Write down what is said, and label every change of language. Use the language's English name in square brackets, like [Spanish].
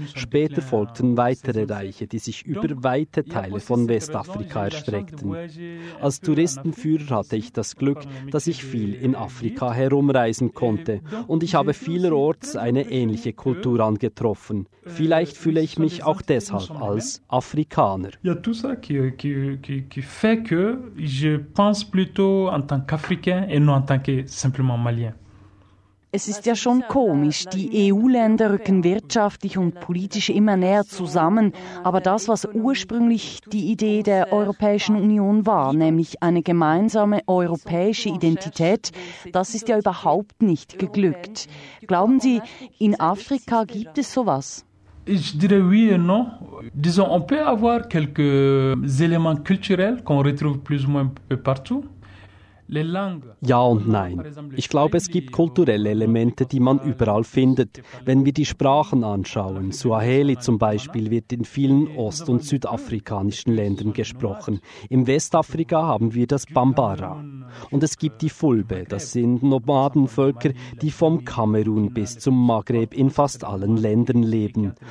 [German] Später folgten weitere Reiche, die sich über weite Teile von Westafrika erstreckten. Als Touristenführer hatte ich das Glück, dass ich viel in Afrika herumreisen konnte. Und ich habe vielerorts eine ähnliche Kultur angetroffen. Vielleicht fühle ich mich auch deshalb als Afrikaner. [French] Ja, tout ça qui fait que je pense plutôt en tant qu'Africain et non en tant que simplement Malien. [German] Es ist ja schon komisch, die EU-Länder rücken wirtschaftlich und politisch immer näher zusammen, aber das, was ursprünglich die Idee der Europäischen Union war, nämlich eine gemeinsame europäische Identität, das ist ja überhaupt nicht geglückt. Glauben Sie, in Afrika gibt es sowas? [French] Ich dirais oui et non. Disons, on peut avoir quelques éléments culturels qu'on retrouve plus ou moins partout. [German] Ja und nein. Ich glaube, es gibt kulturelle Elemente, die man überall findet. Wenn wir die Sprachen anschauen, Swahili zum Beispiel wird in vielen ost- und südafrikanischen Ländern gesprochen. Im Westafrika haben wir das Bambara. Und es gibt die Fulbe, das sind Nomadenvölker, die vom Kamerun bis zum Maghreb in fast allen Ländern leben.